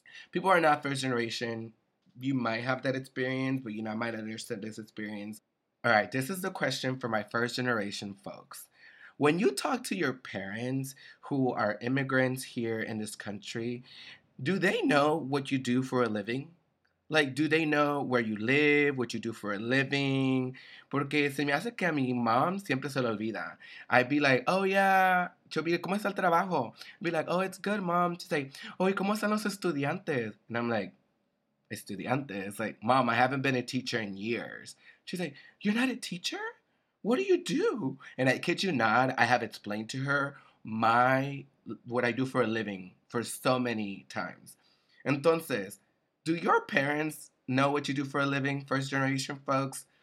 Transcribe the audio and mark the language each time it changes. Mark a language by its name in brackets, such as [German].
[English] People are not first generation. You might have that experience, but, you know, I might understand this experience. All right, this is the question for my first generation folks. when you talk to your parents who are immigrants here in this country, do they know what you do for a living? Like, do they know where you live, what you do for a living? [Spanish] Porque se me hace que a mi mom siempre se le olvida. [English] I'd be like, oh, yeah. She'll be like, [Spanish] ¿cómo está el trabajo? [English] I'd be like, oh, it's good, mom. She's like, [Spanish] oh, ¿y cómo están los estudiantes? [English] And I'm like, estudiantes? Like, mom, I haven't been a teacher in years. She's like, you're not a teacher? What do you do? And I kid you not, I have explained to her what I do for a living for so many times. Entonces, do your parents know what you do for a living, first generation folks?